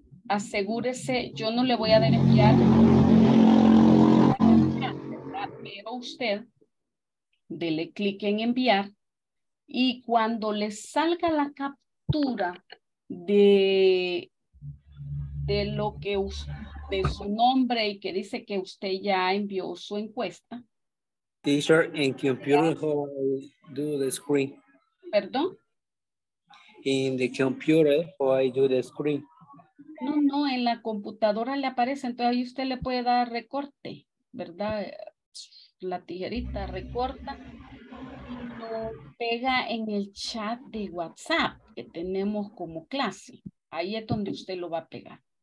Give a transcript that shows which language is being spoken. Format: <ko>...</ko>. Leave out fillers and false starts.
<es>Asegúrese, yo no le voy a dar enviar, pero usted dele clic en enviar. Y cuando le salga la captura de lo que de su nombre y que dice que usted ya envió su encuesta.</es> <en>Teacher, in computer, how I do the screen?</en> <es>Perdón.</es> <en>In the computer, how I do the screen?</en> <es>No, no, en la computadora le aparece, entonces ahí usted le puede dar recorte, ¿verdad? La tijerita recorta y lo pega en el chat de WhatsApp que tenemos como clase. Ahí es donde usted lo va a pegar.</es>